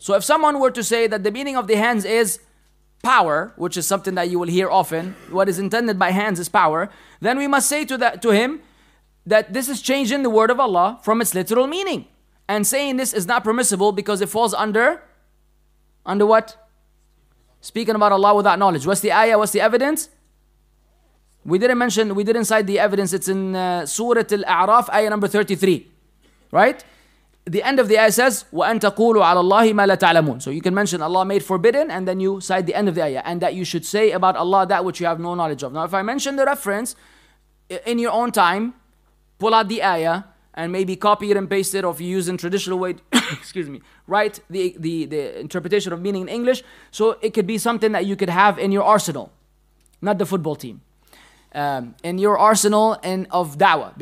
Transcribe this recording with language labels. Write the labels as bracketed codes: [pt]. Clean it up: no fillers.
[en] So if someone were to say that the meaning of the hands is power, which is something that you will hear often, what is intended by hands is power, then we must say to him that this is changing the word of Allah from its literal meaning. And saying this is not permissible because it falls under what? Speaking about Allah without knowledge. What's the ayah? What's the evidence? We didn't cite the evidence. It's in Surah Al-A'raf, ayah number 33. Right? The end of the ayah says, [ar] وَأَنْتَ قُولُوا عَلَى اللَّهِ مَا لَا تَعْلَمُونَ. [en] So you can mention Allah made forbidden and then you cite the end of the ayah. And that you should say about Allah that which you have no knowledge of. Now if I mention the reference in your own time, pull out the ayah and maybe copy it and paste it, or if you use in traditional way, excuse me, write the interpretation of meaning in English, so it could be something that you could have in your arsenal, not the football team, in your arsenal and of da'wah.